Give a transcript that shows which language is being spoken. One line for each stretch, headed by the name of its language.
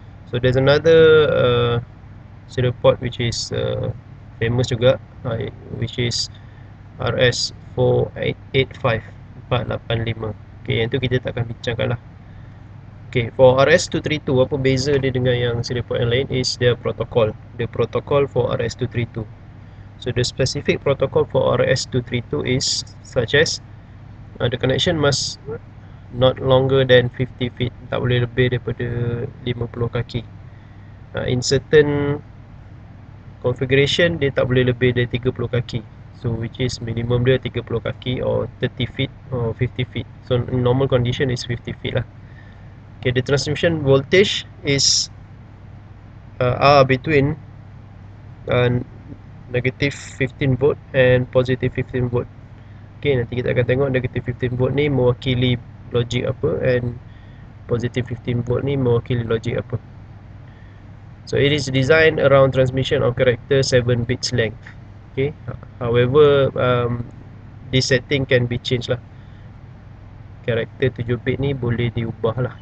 English: So there's another serial port which is famous juga, which is RS-485, 485.
Malay: Okay, yang tu kita tak akan bincangkan lah. Okay, for RS-232, apa beza dia dengan yang serial port yang lain
English: is the protocol. The protocol for RS-232. So the specific protocol for RS-232 is such as the connection must not longer than 50 feet,
Malay: tak boleh lebih daripada 50 kaki. In certain configuration, dia tak boleh lebih dari 30 kaki.
English: So which is minimum
Malay: dia 30 kaki
English: or 30 feet or 50 feet. So normal condition is 50 feet lah. Okay, the transmission voltage is between negative 15 volt and positive 15 volt.
Malay: Okay, nanti kita akan tengok negative 15 volt ni mewakili logik apa and positive 15 volt ni mewakili logik apa.
English: So it is designed around transmission of character 7 bits length. Okay, however this setting can be changed lah.
Malay: Character 7 bit ni boleh diubah lah.